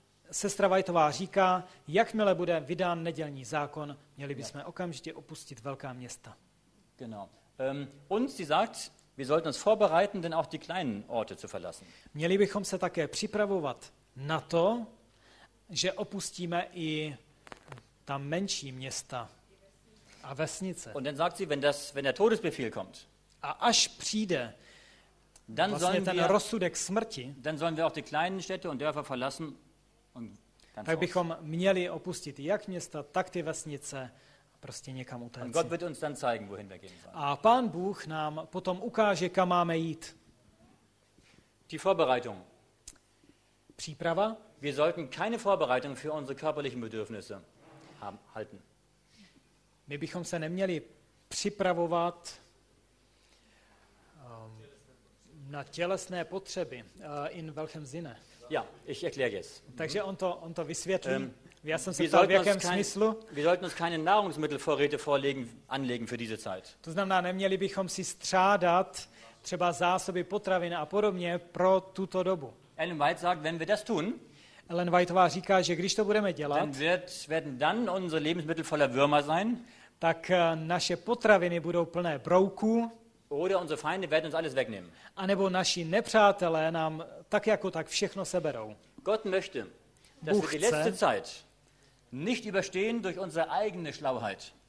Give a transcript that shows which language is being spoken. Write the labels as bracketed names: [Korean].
[Czech] Sestra Whiteová říká, jakmile bude vydán nedělní zákon, měli bychom okamžitě opustit velká města. [German] Genau. Und sie sagt, wir sollten uns vorbereiten, denn auch die kleinen Orte zu verlassen. [Czech] Měli bychom se také připravovat na to, že opustíme i ta menší města a vesnice. [German] Und dann sagt sie, wenn der Todesbefehl kommt. [Czech] A až přijde, [German] dann sollen [Czech] ten [German] wir [Czech] rozsudek smrti. [German] Dann sollen wir auch die kleinen Städte und Dörfer verlassen und ganz [Czech] tak bychom měli opustit jak města, tak ty vesnice, prostě někam utéct. [German] Und Gott wird uns dann zeigen, wohin wir gehen sollen. [Czech] A Pán Bůh nám potom ukáže, kam máme jít. [German] Die Vorbereitung. [Czech] Příprava. [German] Wir sollten keine Vorbereitung für unsere körperlichen Bedürfnisse halten. [Czech] My bychom se neměli připravovat na tělesné potřeby [German] in welchem Sinne. Ja, ich erkläre jetzt. [Czech] Takže on to vysvětlí. Já jsem se ptal, v jakém smyslu. [German] Wir sollten uns keine Nahrungsmittelvorräte anlegen für diese Zeit. [Czech] To znamená, neměli bychom si střádat třeba zásoby potravin a podobně pro tuto dobu. [German] Ellen White sagt, wenn wir das tun, [Czech] Ellen Whiteová říká, že když to budeme dělat, [German] werden dann unsere Lebensmittel voller Würmer sein, [Czech] tak naše potraviny budou plné brouků, [German] oder unsere Feinde werden uns alles wegnehmen. [Czech] Anebo naši nepřátelé nám tak jako tak všechno seberou. [German] Gott möchte, dass wir die letzte Zeit nicht überstehen durch unsere eigene Schlauheit.